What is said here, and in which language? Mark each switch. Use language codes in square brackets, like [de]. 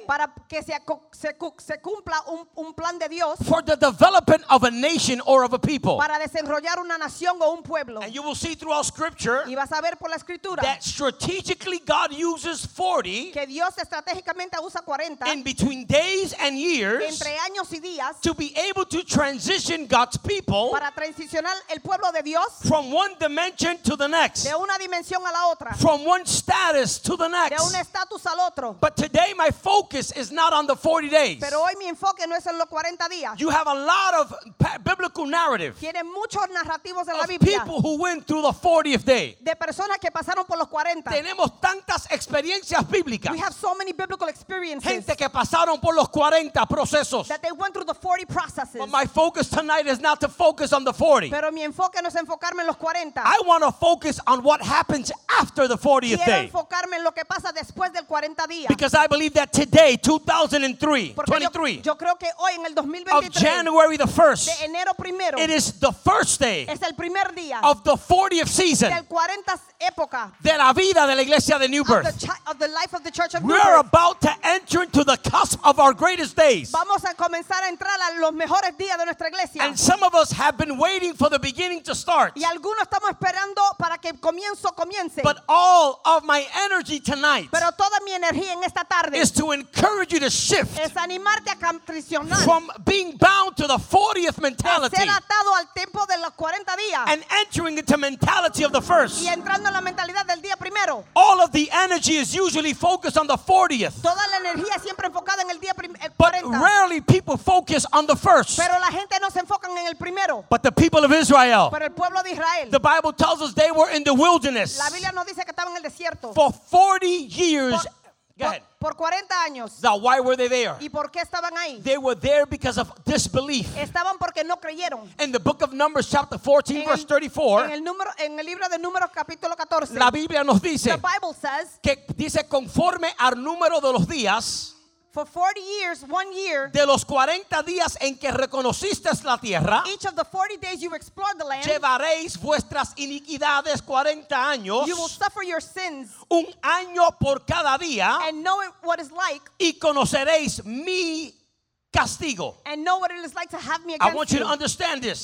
[es] para que se cumpla un plan de Dios, [en] for the development of a nation or of a people, [es] para desarrollar una nación o un pueblo. [en] And you will see throughout Scripture, [es] y vas a ver por la escritura, [en] that strategically God uses 40, [es] que Dios estratégicamente usa 40, [en] in between days and years, [es] entre años y días, [en] to be able to transition God's people, [es] para transicionar el pueblo de Dios, [en] from one dimension to the next. [es] De una dimensión a la otra. [en] From one status to the next. [es] De un estatus al otro. [en] But today my focus is not on the 40 days. [es] Pero hoy mi enfoque no es en los 40 días. [en] You have a lot of biblical narrative. [es] Tiene muchos narrativos en la Biblia. [en] Of people who went through the 40th day. [es] De personas que pasaron por los 40. Tenemos tantas experiencias bíblicas. [en] We have so many biblical experiences. [es] Gente que pasaron por los 40 procesos. [en] That they went through the 40 processes. But my focus tonight is not to focus on the 40. [es] Pero mi enfoque no es enfocar. [en] I want to focus on what happens after the 40th day. [es] Enfocarme en lo que pasa después del 40 días. [en] Because I believe that today, 2023, [es] yo creo que hoy en el 2023, [en] of January the 1st, [es] de enero primero, [en] it is the first day, [es] es el primer día, [en] of the 40th season, [es] del 40 época, de la vida de la iglesia de New Birth. [en] Of the life of the church of New Birth. We are about to enter into the cusp of our greatest days. [es] Vamos a comenzar a entrar a los mejores días de nuestra iglesia. [en] And some of us have been waiting for the beginning to start. [es] Y algunos estamos esperando para que comienzo comience. [en] But all of my energy tonight, [es] pero toda mi energía en esta tarde, [en] is to encourage you to shift, [es] es animarte a transicionar, [en] from being bound to the 40th mentality, [es] ser atado al tiempo de los 40 días, [en] and entering into mentality of the first, [es] y entrando en la mentalidad del día primero. [en] All of the energy is usually focused on the 40th, [es] toda la energía siempre enfocada en el día 40. [en] But rarely people focus on the first, [es] pero la gente no se enfocan en el primero. [en] But the people of Israel, [es] pero el pueblo, [en] the Bible tells us they were in the wilderness. [es] La Biblia nos dice que estaban en el desierto. [en] For 40 years. Go ahead. [es] Por 40 años. [en] Now, why were they there? [es] ¿Y por qué estaban ahí? [en] They were there because of disbelief. [es] Estaban porque no creyeron. [en] In the book of Numbers, chapter 14, verse 34. [es] En el libro de Números, capítulo 14. La Biblia nos dice. [en] The Bible says. [es] Que dice conforme al número de los días. [en] For 40 years, one year, [es] de los 40 días en que reconociste la tierra, [en] each of the 40 days you explored the land, [es] llevaréis vuestras iniquidades 40 años, [en] you will suffer your sins, [es] un año por cada día, [en] and know what it's like, [es] y conoceréis mi castigo. [en] And know what it is like to have me against you. I want you to understand this.